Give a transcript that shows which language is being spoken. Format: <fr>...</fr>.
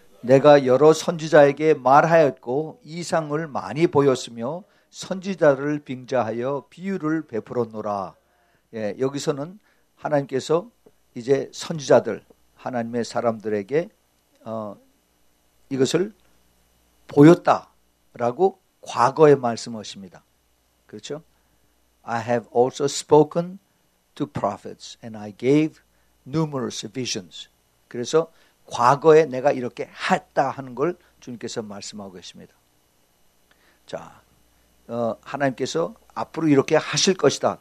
<ko>내가 여러 선지자에게 말하였고 이상을 많이 보였으며 선지자를 빙자하여 비유를 베풀었노라. 예, 여기서는 하나님께서 이제 선지자들 하나님의 사람들에게 이것을 보였다라고 과거에 말씀하십니다. 그렇죠?</ko> <en>I have also spoken to prophets and I gave numerous visions.</en> <ko>그래서 과거에 내가 이렇게 했다 하는 걸 주님께서 말씀하고 계십니다. 자, 하나님께서 앞으로 이렇게 하실 것이다.</ko>